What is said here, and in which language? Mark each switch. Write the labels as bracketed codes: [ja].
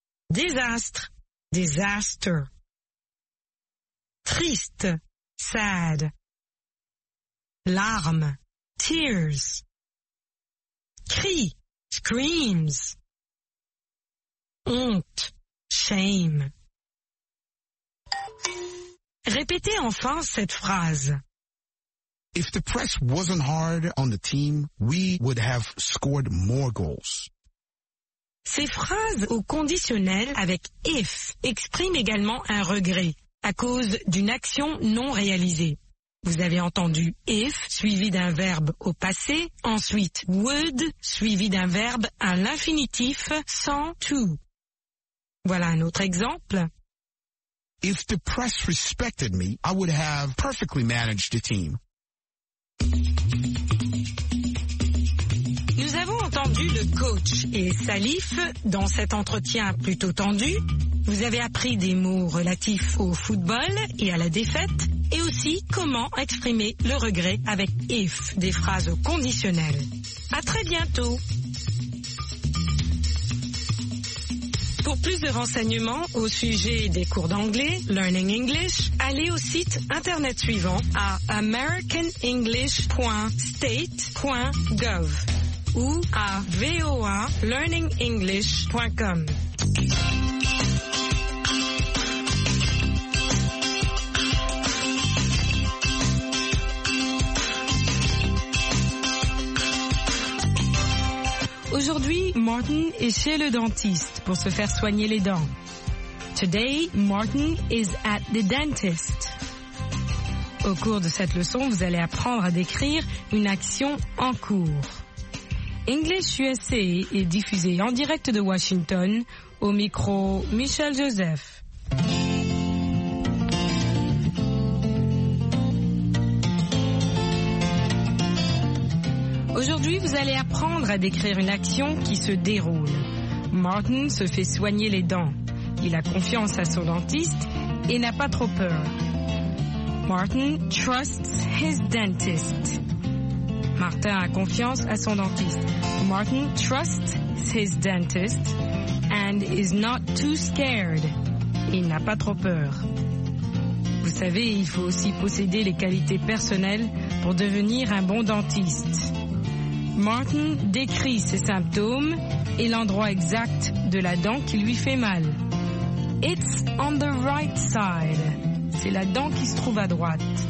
[fr] Désastre. [en] Disaster. [fr] Triste. [en] Sad. [fr] Larmes. [en] Tears. [fr] Cris. [en] Screams. [fr] Honte. [en] Shame. [fr] Répétez enfin cette phrase. [en] If the press wasn't hard on the team, we would have scored more goals. [fr] Ces phrases au conditionnel avec if expriment également un regret à cause d'une action non réalisée. Vous avez entendu if suivi d'un verbe au passé, ensuite would suivi d'un verbe à l'infinitif sans to. Voilà un autre exemple. [en] If the press respected me, I would have perfectly managed the team. [fr] Nous avons entendu le coach et Salif dans cet entretien plutôt tendu. Vous avez appris des mots relatifs au football et à la défaite et aussi comment exprimer le regret avec if, des phrases au conditionnel. À très bientôt. Pour plus de renseignements au sujet des cours d'anglais, Learning English, allez au site internet suivant à americanenglish.state.gov ou à voalearningenglish.com. Aujourd'hui, Martin est chez le dentiste pour se faire soigner les dents. [en] Today, Martin is at the dentist. [fr] Au cours de cette leçon, vous allez apprendre à décrire une action en cours. English USA est diffusé en direct de Washington au micro Michel Joseph. Aujourd'hui, vous allez apprendre à décrire une action qui se déroule. Martin se fait soigner les dents. Il a confiance à son dentiste et n'a pas trop peur. [en] Martin trusts his dentist. [fr] Martin a confiance à son dentiste. [en] Martin trusts his dentist and is not too scared. [fr] Il n'a pas trop peur. Vous savez, il faut aussi posséder les qualités personnelles pour devenir un bon dentiste. Martin décrit ses symptômes et l'endroit exact de la dent qui lui fait mal. [en] It's on the right side. [fr] C'est la dent qui se trouve à droite.